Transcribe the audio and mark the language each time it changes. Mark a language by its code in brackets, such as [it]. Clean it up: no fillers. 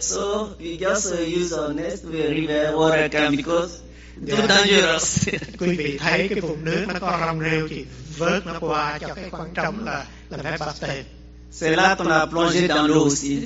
[en] So, we just use our next to the river, water can, because it's too dangerous. [vi] Quý vị thấy cái vùng nước nó có rong rêu, chỉ vớt nó qua cho cái quan trọng là phép báp têm. [fr] C'est là qu'on a plongé dans l'eau aussi.